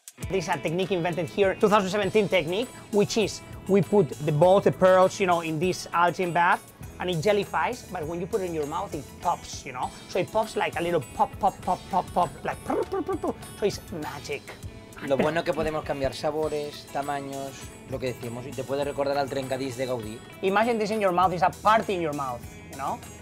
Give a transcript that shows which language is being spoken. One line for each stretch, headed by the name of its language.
English: This is a technique invented here, 2017 technique, which is we put the pearls, you know, in this algae bath, and it jellifies, but when you put it in your mouth, it pops, you know? So it pops like a little pop, like purr, purr, purr, purr. So it's magic.
Spanish: Lo bueno es que podemos cambiar sabores, tamaños, lo que decimos, y te puede recordar al trencadís de Gaudí.
English: Imagine this in your mouth, it's a party in your mouth, you know?